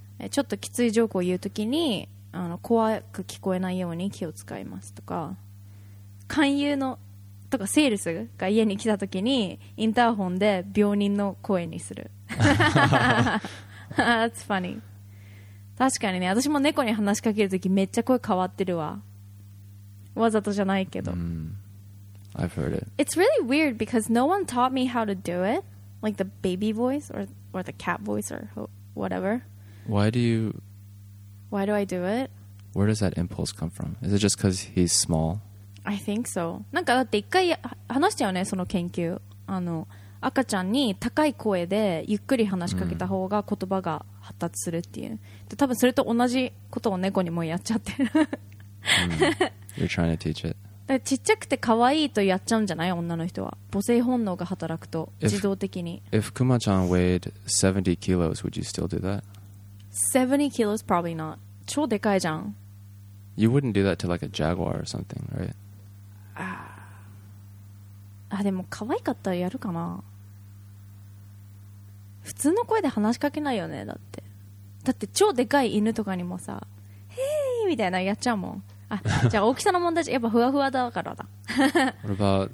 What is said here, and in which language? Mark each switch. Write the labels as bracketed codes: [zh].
[ja] ちょっときついジョークを言うときに、あの、怖く聞こえないように気を使いますとか、勧誘のとかセールスが家に来たときにインターホンで病人の声にする [en] That's funny. [ja] 確かにね、私も猫に話しかけるときめっちゃ声変わってるわ。わざとじゃないけど。 [en] Mm. I've heard it. It's really weird because no one taught me how to do it. Like the baby voice or the cat voice or whatever. Why do I do it? Where does that impulse come from? Is it just because he's small? I think so. [ja] なんかだって一回話したよね、その研究。あの、赤ちゃんに高い声でゆっくり話しかけた方が言葉が発達するっていう。で、多分それと同じことを猫にもやっちゃってる。 [en] Mm. You're trying to teach it. [ja] だからちっちゃくて可愛いとやっちゃうんじゃない、女の人は。母性本能が働くと自動的に。 [en] If クマちゃん weighed 70 kilos, would you still do that? 70 kilos? Probably not. [ja] 超でかいじゃん。 [en] You wouldn't do that to like a jaguar or something, right? [ja] あ、でも可愛かったらやるかな。普通の声で話しかけないよね、だって。だって超でかい犬とかにもさ、へーみたいなやっちゃうもん。あ、じゃあ大きさの問題じゃ、やっぱふわふわだからだ。 [en] What about